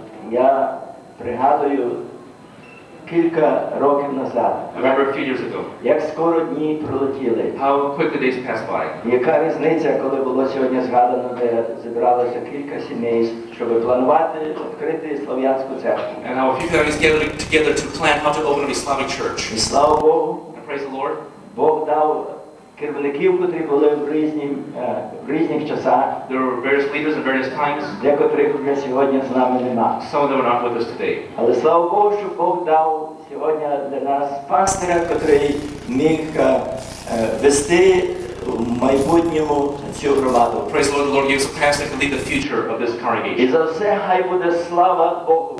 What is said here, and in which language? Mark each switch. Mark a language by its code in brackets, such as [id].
[uk] Я пригадую кілька років назад. [en] I remember a few years ago. [uk] Як скоро дні пролетіли. [en] How quick the days passed by. [uk] Яка різниця, коли було сьогодні згадано, де зібралося кілька сімей, щоб планувати відкрити Слов'янську церкву. [en] And how a few families gathered together to plan how to open a Slavic church. [uk] І слава Богу. [en] And praise the Lord. [uk] Бог дав керівників, котрі були в різних часах. [en] There were various leaders at various times. [uk] Декотрих вже сьогодні з нами нема. [en] Some of them are not with us today. [uk] Але слава Богу, що Бог дав сьогодні для нас пастора, котрий міг вести в майбутньому цю громаду. [en] Praise the Lord, the Lord gives a pastor to lead the future of this congregation. [uk] І за все хай буде слава Богу.